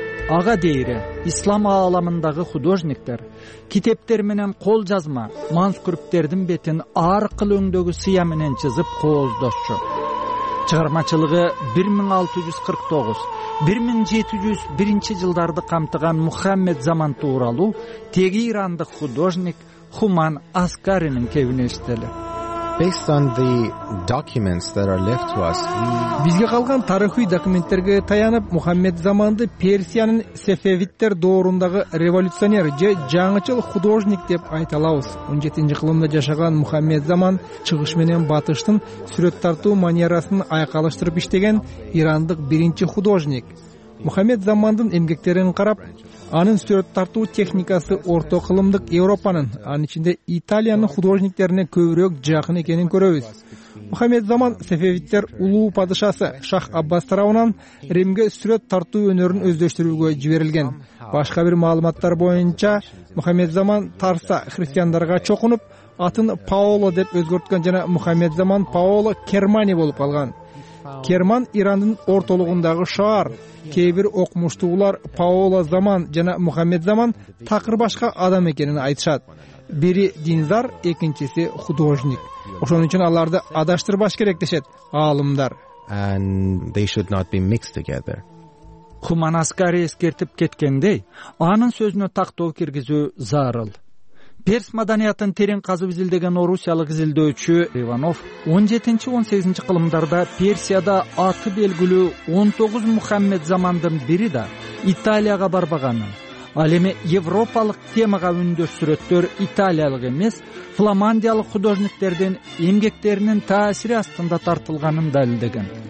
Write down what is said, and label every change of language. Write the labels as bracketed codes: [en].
[ky] Ага дейри ислам ааламындагы художниктер китептер менен кол жазма манускрипттердин бетин ар кыл өңдөгү сыя менен чызып кооздошчу. Чыгармачылыгы 1649-1701 жылдарды камтыган Мухаммед Заман тууралуу теги ирандык художник Хуман Аскаринин кебинештели. [en] Based on the documents that are left to us, [ky] бизге калган тарыхый документтерге таянып, Мухаммед Заманды Персиянын Сефевиттер доорундагы революционер же жаңычыл художник деп айталабыз. 17-нчи кылымда жашаган Мухаммед Заман чыгыш менен батыштын сүрөт тартуу манерасын айкалыштырып иштеген ирандык биринчи художник. Мухаммед Замандын эмгектерин карап, анын сүрөт тартуу техникасы орто кылымдык Европанын, анын ичинде Италиянын художниктерине көбүрөөк жакын экенин көрөбүз. Мухаммед Заман Сефевиттер улуу падышасы Шах Аббас тарабынан Римге сүрөт тартуу өнөрүн өздөштүрүүгө жиберилген. Башка бир маалыматтар боюнча, Мухаммед Заман Тарса христиандарга чокунуп, атын Паоло деп өзгөрткөн жана Мухаммед Заман Паоло Кермани болуп калган. Керман Ирандын ортолугундагы шаар. Кээ бир окумуштуулар Паоло Заман жана Мухаммед Заман такыр башка адам экенин айтышат. Бири динзар, экинчиси художник. Ошон үчүн аларды адаштырбаш керек дешет аалымдар. [en] And they should not be mixed together. [ky] Хуман Аскари эскертип кеткендей, анын сөзүнө тактоо киргизүү зарыл. Перс маданиятын терең казып изилдеген орусиялык изилдөөчү Иванов 17-18 кылымдарда Персияда аты белгилүү 19 Мухаммед Замандын бири да Италияга барбаганын, ал эми европалык темага үндөш сүрөттөр италиялык эмес, фламандиялык художниктердин эмгектеринин таасири астында тартылганын далилдеген.